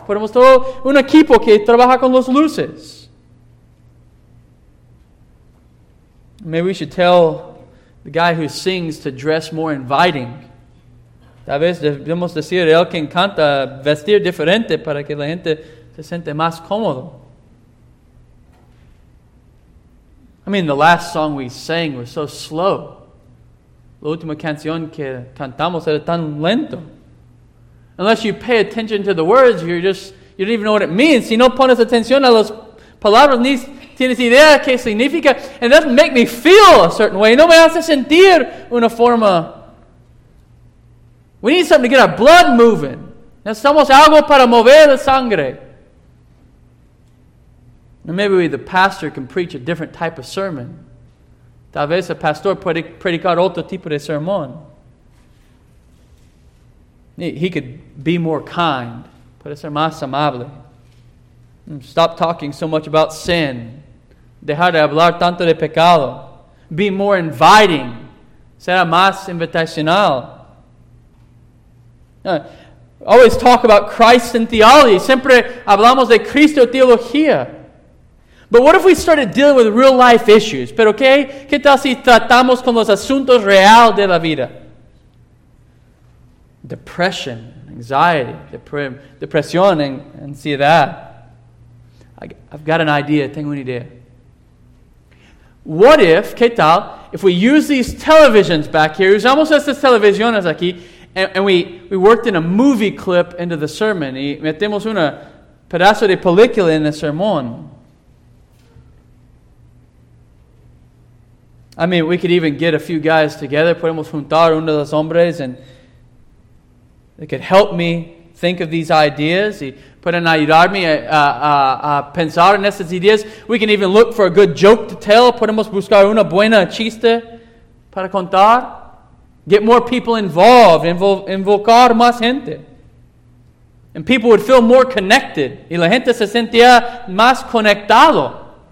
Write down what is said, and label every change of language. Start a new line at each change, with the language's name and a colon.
Spanish: Podemos todo un equipo que trabaja con las luces.
English: Maybe we should tell the guy who sings to dress more inviting.
Spanish: Tal vez debemos decir el que canta vestir diferente para que la gente se siente más cómodo.
English: I mean, the last song we sang was so slow.
Spanish: La última canción que cantamos era tan lento.
English: Unless you pay attention to the words, you don't even know what it means.
Spanish: Si no pones atención a las palabras, ni tienes idea qué significa.
English: And it doesn't make me feel a certain way.
Spanish: No me hace sentir una forma.
English: We need something to get our blood moving.
Spanish: Necesitamos algo para mover la sangre.
English: And maybe the pastor can preach a different type of sermon.
Spanish: Tal vez el pastor puede predicar otro tipo de sermón.
English: He could be more kind.
Spanish: Puede ser más amable.
English: Stop talking so much about sin.
Spanish: Dejar de hablar tanto de pecado.
English: Be more inviting.
Spanish: Será más invitacional.
English: Always talk about Christ and theology.
Spanish: Siempre hablamos de Cristo y teología.
English: But what if we started dealing with real life issues?
Spanish: Pero qué, ¿qué tal si tratamos con los asuntos reales de la vida?
English: Depression, anxiety,
Spanish: depresión, ansiedad.
English: I've got an idea.
Spanish: Tengo una idea.
English: What if,
Spanish: qué tal,
English: if we use these televisions back here,
Spanish: usamos estas televisiones aquí,
English: and we worked in a movie clip into the sermon,
Spanish: y metemos una pedazo de película en el sermón.
English: I mean, we could even get a few guys together.
Spanish: Podemos juntar uno de los hombres
English: and they could help me think of these ideas.
Spanish: Y pueden ayudarme a pensar en estas ideas.
English: We can even look for a good joke to tell.
Spanish: Podemos buscar una buena chiste para contar.
English: Get more people involved.
Spanish: Invocar más gente.
English: And people would feel more connected.
Spanish: Y la gente se sentía más conectado.